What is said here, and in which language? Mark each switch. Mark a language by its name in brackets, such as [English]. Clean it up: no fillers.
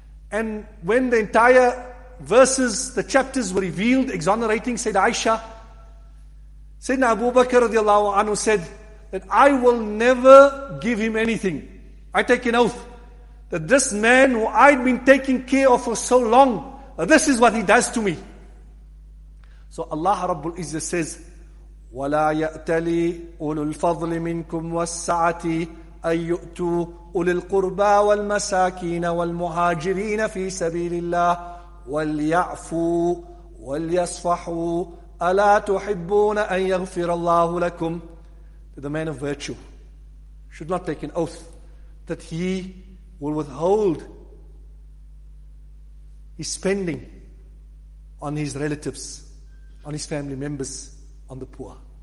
[English] And when the entire verses, the chapters were revealed exonerating Sayyidah Aisha, Sayyidina Abu Bakr radiallahu anhu said that I will never give him anything. I take an oath that this man who I'd been taking care of for so long, this is what he does to me. So Allah Rabbul Izzah says, [Arabic] وَلَا يَأْتَلِي أُولُو الْفَضْلِ مِنْكُمْ وَالسَّعَةِ أَنْ يُؤْتُوا أُولِي الْقُرْبَى وَالْمَسَاكِينَ وَالْمُهَاجِرِينَ فِي سَبِيلِ اللَّهِ وَلْيَعْفُوا وَلْيَصْفَحُوا أَلَا تُحِبُّونَ أَنْ يَغْفِرَ اللَّهُ لَكُمْ. [English] The man of virtue should not take an oath that he will withhold his spending on his relatives, on his family members, on the poor.